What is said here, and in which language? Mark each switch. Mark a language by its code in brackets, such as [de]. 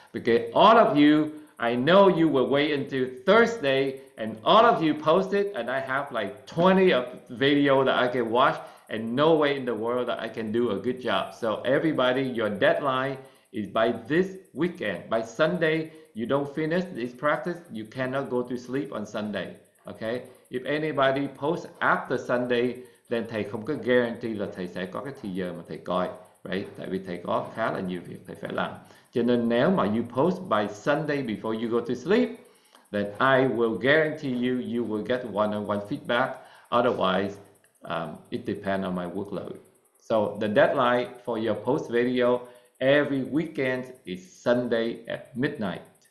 [en] Because all of you, I know you will wait until Thursday and all of you post it. And I have like 20 of video that I can watch and no way in the world that I can do a good job. So everybody, your deadline is by this weekend. By Sunday, you don't finish this practice, you cannot go to sleep on Sunday, okay? If anybody posts after Sunday, then [vi] thầy không có [en] guarantee [vi] là thầy sẽ có cái thời giờ mà thầy coi, [en] right? [vi] Tại vì thầy có khá là nhiều việc thầy phải làm. Cho nên nếu mà [en] you post by Sunday before you go to sleep, then I will guarantee you, you will get one-on-one feedback. Otherwise, it depends on my workload. So the deadline for your post video every weekend is Sunday at midnight.